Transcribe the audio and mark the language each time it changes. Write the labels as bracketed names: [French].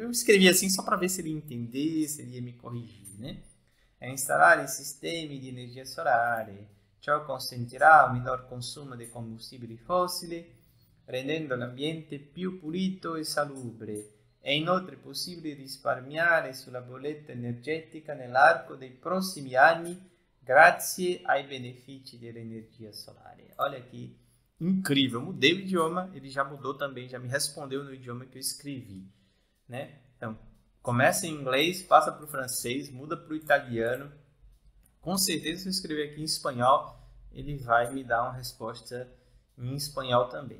[Portuguese] Eu escrevi assim só para ver se ele ia entender, se ele ia me corrigir, né? É instalar sistemas de energia solar. [Italian] Ciò consentirà un minor consumo di combustibili fossili, rendendo l'ambiente più pulito e salubre. È inoltre possibile risparmiare sulla bolletta energetica nell'arco dei prossimi anni grazie ai benefici dell'energia solare. [Portuguese] Olha aqui, incrível! Mudei o idioma, ele já mudou também, já me respondeu no idioma que eu escrevi, né? Então, começa em inglês, passa para o francês, muda para o italiano. Com certeza, se eu escrever aqui em espanhol, ele vai me dar uma resposta em espanhol também.